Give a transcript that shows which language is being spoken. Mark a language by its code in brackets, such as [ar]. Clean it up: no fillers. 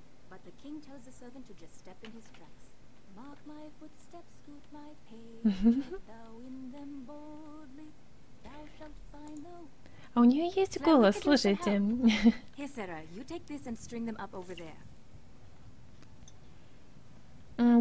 [en] But the king tells the servant to just step in his tracks. Mark my footsteps, scoot my pace. Thou in them boldly, thou shalt find the... [ru] А у нее есть голос, слушайте. [en] Here, Sarah, you take this and string them up over there.